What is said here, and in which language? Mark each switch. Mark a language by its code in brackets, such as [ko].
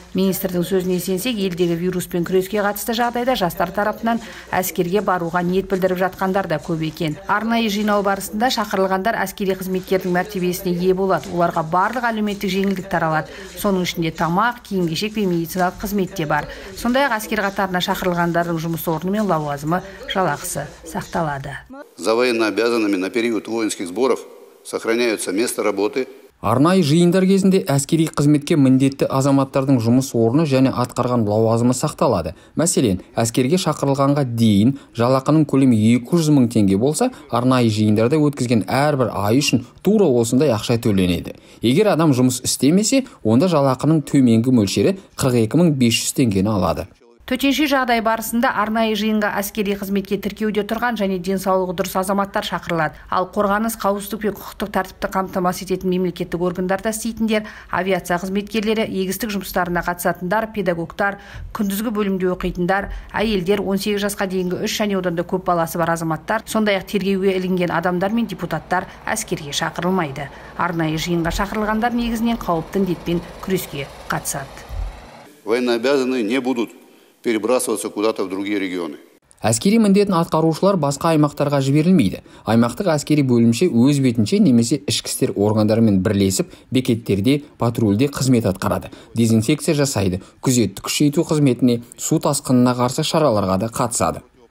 [kk] Министрдің сөзіне сенсек, елдегі вируспен күреске қатысты жағдайда жастар тарапынан әскерге баруға ниет білдіріп жатқандар да көп екен. Арнайы жинау барысында шақырылғандар әскери қызметкердің мәртебесіне ие болады. Оларға барлық әлеуметтік жеңілдік таралады. Соның ішінде тамақ, киім-кешек пен медициналық қызмет те бар. Сондай-ақ әскер қатарына шақырылғандардың жұмыс орны мен лауазымы, жалақысы сақталады. [ru] За военнообязанными на период воинских сборов сохраняются место работы. [kk] Арнайы жиындар кезінде әскери қызметке міндетті азаматтардың жұмыс орны және атқарған лауазымы сақталады. Мәселен, әскерге шақырылғанға дейін жалақының көлемі 200 мың теңге болса, арнайы жиындарда өткізген әрбір ай үшін тура осындай ақша төленеді. Егер адам жұмыс істемесе, онда жалақының төменгі мөлшері 42 500 теңгені алады. Төтенше жағдай барысында арнайы жиынға әскери қызметке тіркеуде тұрған және денсаулығы дұрыс азаматтар шақырылады. Ал қорғаныс, қауіпсіздік пен құқықтық тәртіпті қамтамасыз ететін мемлекеттік органдарда істейтіндер, авиация қызметкерлері, егістік жұмыстарына қатысатындар, педагогтар, күндізгі бөлімде оқитындар, әйелдер, 18 жасқа дейінгі 3 және одан да көп баласы бар азаматтар, сондай-ақ тергеуге ілінген адамдар мен депутаттар әскерге шақырылмайды. Арнайы жиынға шақырылғандар негізінен қауіпті індетпен күреске қатысады. [ru] Военнообязанные не будут перебрасываться куда-то в другие регионы. [kk] Әскери міндетін атқарушылар басқа аймақтарға жіберілмейді. Аймақтық әскери бөлімше өз бетінше немесе ішкі істер органдарымен бірлесіп, бекеттерде, патрульде қызмет атқарады. Дезинфекция жасайды, күзетті күшейту қызметіне, су тасқынына қарсы шараларға да қатысады.